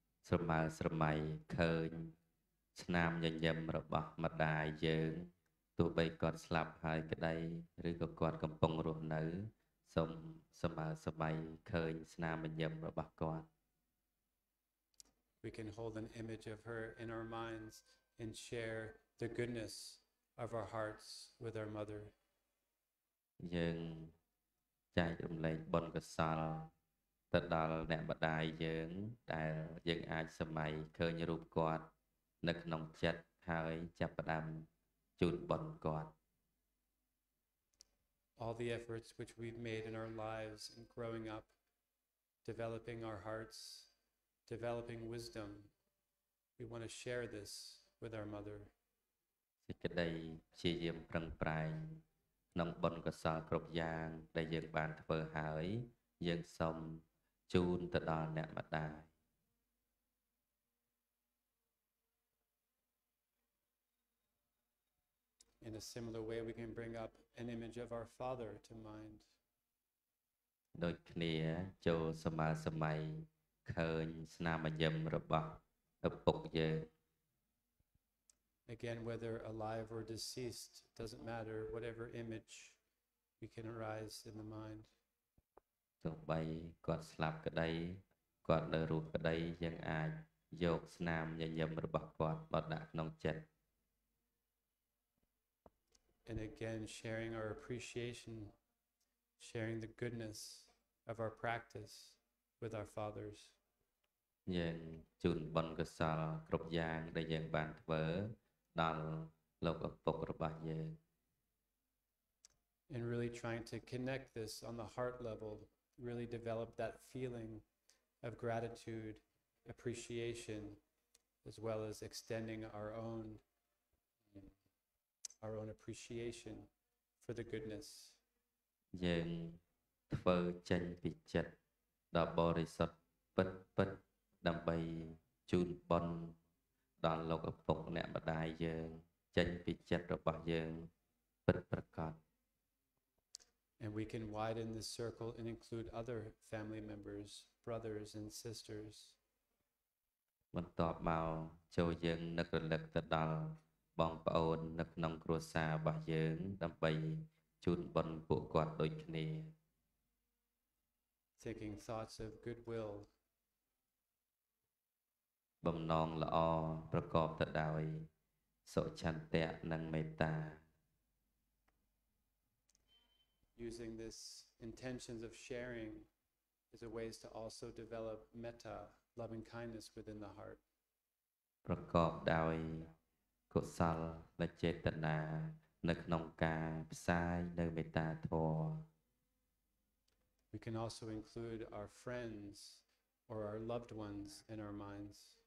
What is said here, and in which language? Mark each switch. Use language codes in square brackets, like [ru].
[km] ស្រមៃឃើញស្នាមញញឹមរបស់មតាយើងទោះបីគាត់ស្លាប់ហើយក្តីឬក៏គាត់កំពុងរស់នៅសូមស្មើស្បៃឃើញស្នាមញញឹមរបស់គាត់ [en] We can hold an image of her in our minds and share the goodness of our hearts with our mother [km] យើងចែករំលែកបុណ្យកុសលទៅដល់អ្នកម្ដាយយើងដែលយើងអាចសម័យឃើញរូបគាត់នៅក្នុងចិត្តហើយចាប់ផ្ដើមជូនបុណ្យគាត់ [en] All the efforts which we've made in our lives in growing up, developing our hearts, developing wisdom, we want to share this with our mother. [km] សេចក្តីព្យាយាមប្រឹងប្រែងក្នុងបុណ្យកុសលគ្រប់យ៉ាងដែលយើងបានធ្វើហើយយើងសូមជូនទៅដល់អ្នកម្ដាយ [en] In a similar way we can bring up an image of our father to mind [km] ដូចគ្នាចូលសមាសម័យឃើញស្នាមញញឹមរបស់ឪពុកយើង [en] Again whether alive or deceased doesn't matter whatever image we can arise in the mind [km] ទោះបីគាត់ស្លាប់ក្តីគាត់នៅរស់ក្តីយ៉ាងអាចយកស្នាមញញឹមរបស់គាត់មកដាក់ក្នុងចិត្ត [en] And again sharing our appreciation sharing the goodness of our practice with our fathers [km] យើងជូនបុណ្យកុសលគ្រប់យ៉ាងដែលយើងបានធ្វើដល់លោកឪពុករបស់យើង [en] And really trying to connect this on the heart level really develop that feeling of gratitude, appreciation, as well as extending our own appreciation for the goodness. [km] យើងធ្វើចេញពីចិត្តដ៏បរិសុទ្ធពិតដើម្បីជូនបុណ្យដល់លោកឪពុកអ្នកម្ដាយយើងចេញពីចិត្តរបស់យើងពិតប្រាកដ [en] And we can widen this circle and include other family members, brothers and sisters. [km] បន្តមកចូលយើងនឹករលឹកទៅដល់បងប្អូននៅក្នុងគ្រួសាររបស់យើងដើម្បីជូនបុណ្យពួកគាត់ដូចគ្នា [en] Taking thoughts of goodwill. [km] បំណងល្អប្រកបទៅដោយសុឆន្ទៈនិងមេត្តា [en] Using this intentions of sharing is a ways to also develop metta, loving kindness within the heart. [km] ប្រកបដោយកុសលនិងចេតនានៅក្នុងការផ្សាយនូវមេត្តាធម៌. [en] We can also include our friends or our loved ones in our minds.